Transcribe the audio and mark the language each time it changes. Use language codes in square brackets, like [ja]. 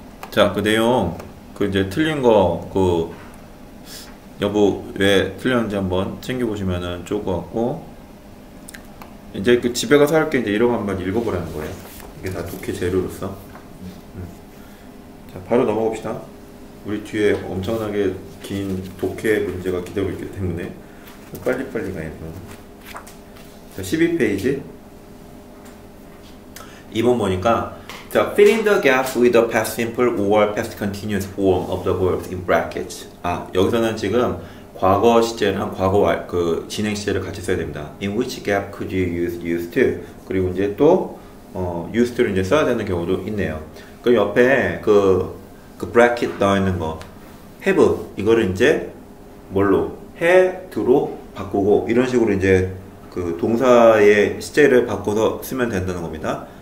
[ko] 자, 그 내용, 그 이제 틀린 거, 그, 여보 왜 틀렸는지 한번 챙겨보시면은 좋을 것 같고, 이제 그 집에 가서 할 게 이제 이런 거 한번 읽어보라는 거예요. 이게 다 독해 재료로서. 자, 바로 넘어갑시다. 우리 뒤에 엄청나게 긴 독해 문제가 기다리고 있기 때문에 빨리빨리 가야 돼요. 자, 12페이지. 2번 보니까 자, [en] fill in the gaps with the past simple or past continuous form of the verbs in brackets. [ko] 아, 여기서는 지금 과거 시제랑 과거 그 진행 시제를 같이 써야 됩니다. [en] In which gap could you use used to? [ko] 그리고 이제 또 used를 이제 써야 되는 경우도 있네요. 그 옆에 그 bracket 나와 있는 거 have 이거를 이제 뭘로 had로 바꾸고 이런 식으로 이제 그 동사의 시제를 바꿔서 쓰면 된다는 겁니다.